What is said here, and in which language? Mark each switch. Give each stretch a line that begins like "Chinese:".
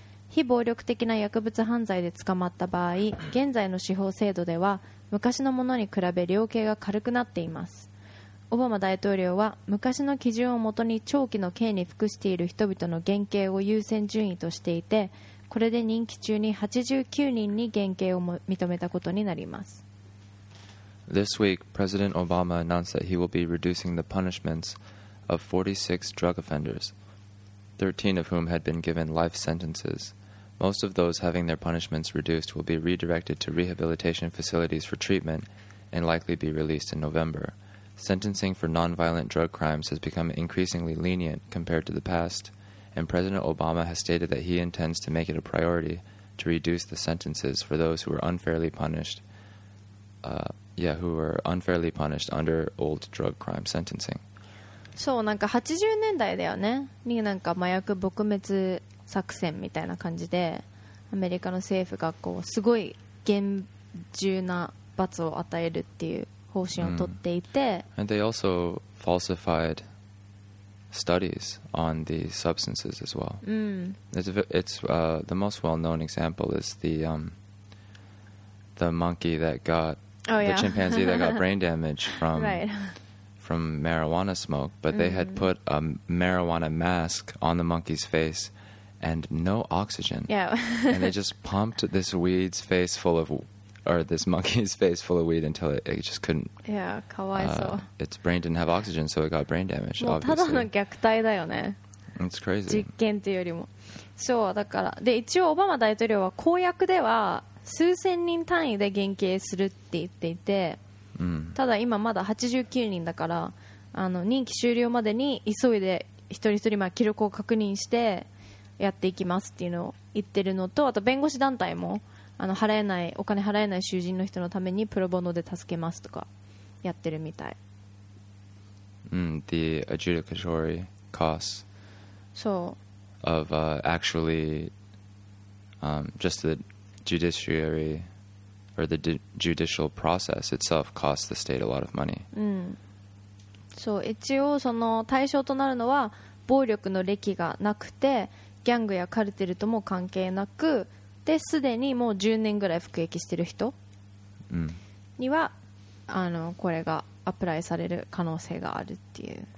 Japanese: 非暴力的な薬物犯罪で捕まった場合、現在の司法制度では昔のものに比べ量刑が軽くなっています。オバマ大統領は昔の基準をもとに長期の刑に服している人々の減刑を優先順位としていて、これで任期中に89人に減刑をも認めたことになります。
English: This week, President Obama announced that he will be reducing the punishments of 46 drug offenders, 13 of whom had been given life sentences. Most of those having their punishments reduced will be redirected to rehabilitation facilities for treatment and likely be released in November. Sentencing for nonviolent drug crimes has become increasingly lenient compared to the past. And President Obama has stated that he intends to make it a priority to reduce the sentences for those who were unfairly punished, who were unfairly punished under old drug crime sentencing.
Japanese: そう、なんか80年代だよね、になんか麻薬撲滅作戦みたいな感じで、アメリカの政府がこうすごい厳重な罰を与えるっていう方針を取っていて、
English: And they also falsified. Studies on these substances as well. The most well-known example is the monkey that got chimpanzee that got brain damage from from marijuana smoke. But they had put a marijuana mask on the monkey's face and no oxygen. Yeah, and they just pumped this weed's face full of, or this monkey's face full of weed until it just couldn't.
Japanese: Yeah, かわいそう。
English: Its brain didn't have oxygen, so it got brain damage.
Japanese: もうただの虐待だよね。
English: It's crazy.
Japanese: 実験というよりも。そう、だから。で、一応オバマ大統領は公約では数千人単位で減刑するって言っていて、ただ今まだ89人だから、任期終了までに急いで一人一人まあ記録を確認してやっていきますっていうのを言ってるのと、あと弁護士団体も、払えない、お金払えない囚人の人のためにプロボノで助けますとかやってるみたい。
English: The adjudicatory costs. So. Of actually, just the judiciary or the judicial process itself costs the state a lot of money.
Japanese: So, 一応その対象となるのは暴力の歴がなくて、ギャングやカルテルとも関係なく、で、すでにもう10年ぐらい服役してる人には、これがアプライされる可能性があるっていう。